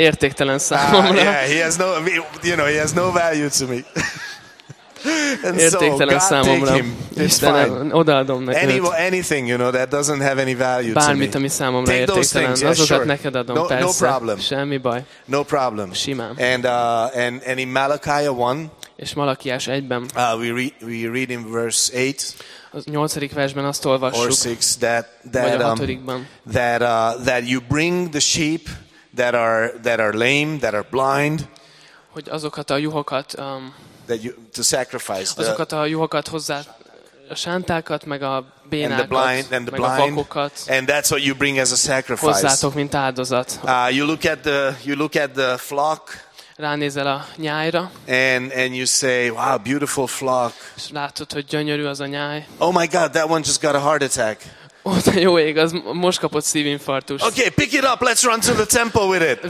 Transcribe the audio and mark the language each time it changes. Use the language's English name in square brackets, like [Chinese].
[Hungarian] Mert értéktelen számomra. [English] Yeah, he has no, you know, he has no value to me. [Hungarian] And értéktelen [English] so, [Hungarian] számomra. Istenem, odaadom neked. [English] Anything, you know, that doesn't have any value to me. [Hungarian] Bármit, ami számomra [English] take [Hungarian] értéktelen, [English] those things, [Hungarian] azokat [English] yeah, sure. [Hungarian] Neked adom, [English] no, [Hungarian] persze. [English] No problem. [Hungarian] Semmi baj. [English] No problem. [Hungarian] Simán. [English] And in Malachi 1, [Hungarian] és Malakiás 1-ben, [English] we read in verse 8, [Hungarian] a 8. versben azt olvassuk, [English] or 6, that you bring the sheep that are lame, that are blind, [Hungarian] hogy azokat a juhokat [English] that you, to sacrifice, [Hungarian] azokat a juhokat hozzá, a sántákat, meg a bénákat, [English] and the blind, and the [Hungarian] meg [English] blind, [Hungarian] a vakokat, [English] and that's what you bring as a sacrifice, [Hungarian] hozzátok, mint áldozat. [English] You look at the flock, [Hungarian] ránézel a nyájra, [English] and you say, wow, beautiful flock. [Hungarian] És látod, hogy gyönyörű az a nyáj. [English] Oh my God, that one just got a heart attack. [Hungarian] Ott jó ég, az most kapott szívinfarktust. [English] Okay, pick it up, let's run to the temple with it.